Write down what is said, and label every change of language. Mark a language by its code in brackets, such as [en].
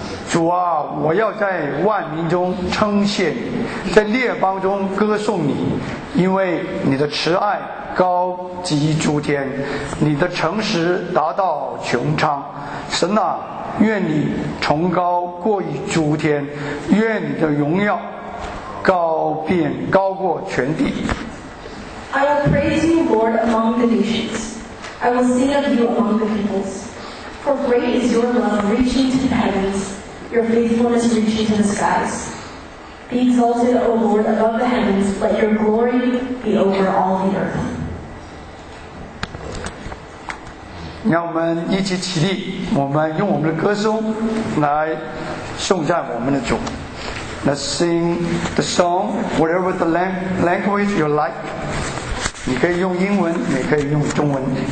[zh] 主啊，我要在万民中称谢你，在列邦中歌颂你，因为你的慈爱高及诸天，你的诚实达到穹苍。神啊，愿你崇高过于诸天，愿你的荣耀高遍高过全地。 [en] I will praise you, Lord, among the nations. I will sing of you among the peoples. For great is your love reaching to the heavens. Your faithfulness reaches the skies. Be exalted, O Lord, above the heavens. Let your glory be over all the earth. [zh] 让我们一起起立，我们用我们的歌颂来颂赞我们的主。 [en] Let's sing the song, whatever the language you like. [zh] 你可以用英文，也可以用中文。